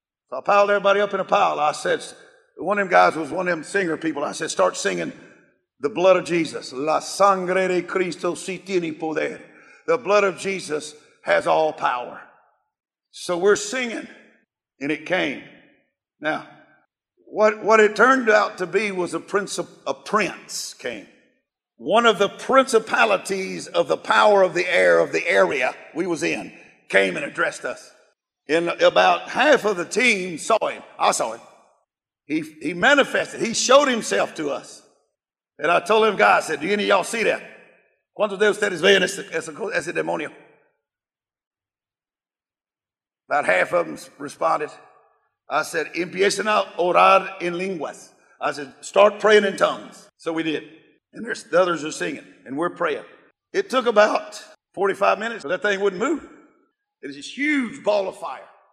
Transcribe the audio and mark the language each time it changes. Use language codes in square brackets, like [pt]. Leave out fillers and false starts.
[en] So I piled everybody up in a pile. I said, one of them guys was one of them singer people. I said, start singing the blood of Jesus. [es] La sangre de Cristo si tiene poder. [en] The blood of Jesus has all power. So we're singing, and it came. Now, what it turned out to be was a prince came. One of the principalities of the power of the air of the area we was in came and addressed us. And about half of the team saw him. I saw him. He manifested. He showed himself to us. And I told him, God, I said, do any of y'all see that? [es] ¿Cuántos de ustedes ven ese demonio? [en] About half of them responded. I said, [es] empiecen a orar en lenguas. [en] I said, start praying in tongues. So we did. And there's, the others are singing, and we're praying. It took about 45 minutes, but that thing wouldn't move. It was this huge ball of fire.